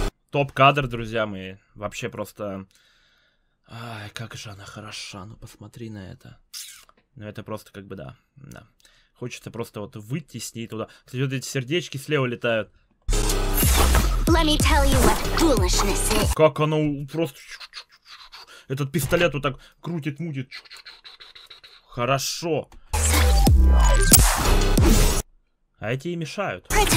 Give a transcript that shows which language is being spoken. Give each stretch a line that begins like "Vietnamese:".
Russian: Топ-кадр, друзья мои. Вообще просто... Ай, как же она хороша, ну посмотри на это. Ну это просто как бы да, да. Хочется просто вот выйти с ней туда. Кстати, вот эти сердечки слева летают.
English: Let me tell you what foolishness is.
Russian: Как она просто... Этот пистолет вот так крутит-мутит. Хорошо. А эти и мешают.